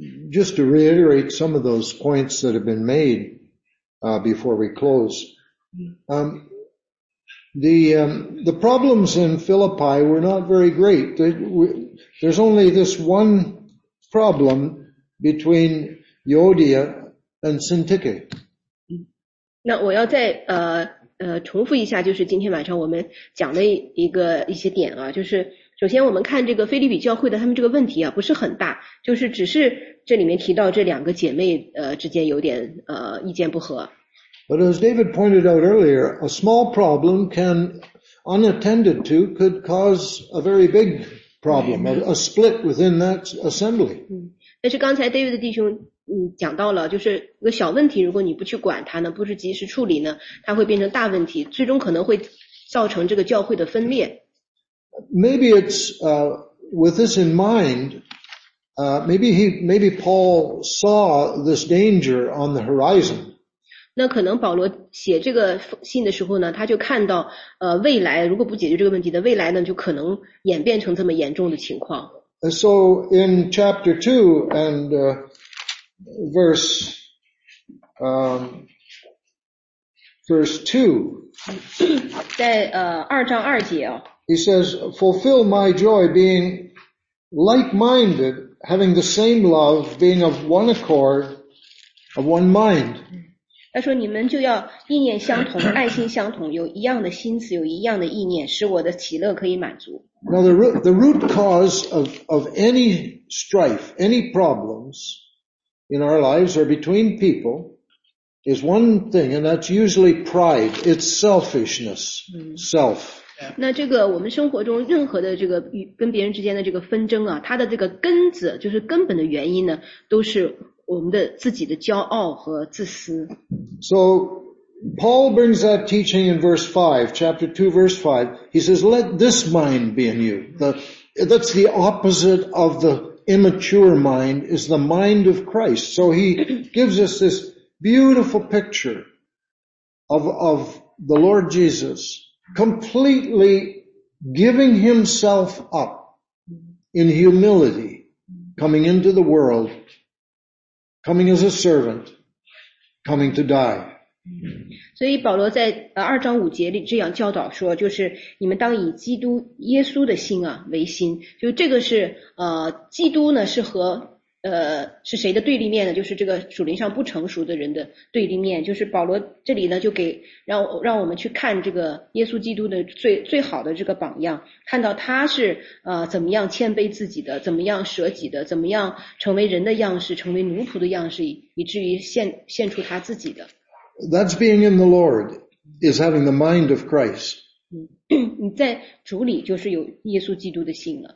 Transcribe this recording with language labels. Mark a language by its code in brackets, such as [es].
[en] Just to reiterate some of those points that have been made, before we close. The problems in Philippi were not very great. There's only this one problem between Euodia and Syntyche. [zh] 那我要再重复一下就是今天晚上我们讲的一些点啊就是首先我们看这个腓立比教会的他们这个问题啊不是很大就是只是这里面提到这两个姐妹之间有点意见不合。 [en] But as David pointed out earlier, a small problem can, unattended to, could cause a very big problem, a split within that assembly. [zh] 但是刚才 David 的弟兄讲到了，就是一个小问题，如果你不去管它呢，不是及时处理呢，它会变成大问题，最终可能会造成这个教会的分裂。 [en] Maybe it's with this in mind, maybe Paul saw this danger on the horizon. [zh] 那可能保罗写这个信的时候呢，他就看到未来如果不解决这个问题的未来呢，就可能演变成这么严重的情况。 [en] So in chapter 2 and verse 2, he says, fulfill my joy being like-minded, having the same love, being of one accord, of one mind. [zh] 他说你们就要意念相同，爱心相同，有一样的心思，有一样的意念，使我的喜乐可以满足。 [en] Now the root cause of any strife, any problems in our lives or between people is one thing, and that's usually pride. It's selfishness, self. [zh] 那这个我们生活中任何的这个跟别人之间的这个纷争啊，它的这个根子，就是根本的原因呢，都是我们的自己的骄傲和自私。 [en] So Paul brings that teaching in verse 5, chapter 2, verse 5. He says, let this mind be in you. That's the opposite of the immature mind, is the mind of Christ. So he gives us this beautiful picture of the Lord Jesus completely giving himself up in humility, coming into the world, coming as a servant, coming to die. [zh] 所以保罗在二章五节里这样教导说，就是你们当以基督耶稣的心啊为心，就这个是基督呢是和是谁的对立面呢？就是这个属灵上不成熟的人的对立面。就是保罗这里呢就给让我们去看这个耶稣基督的最好的这个榜样，看到他是怎么样谦卑自己的，怎么样舍己的，怎么样成为人的样式，成为奴仆的样式，以至于献出他自己的。 [en] That's being in the Lord is having the mind of Christ. [zh] 你在主里就是有耶稣基督的心了。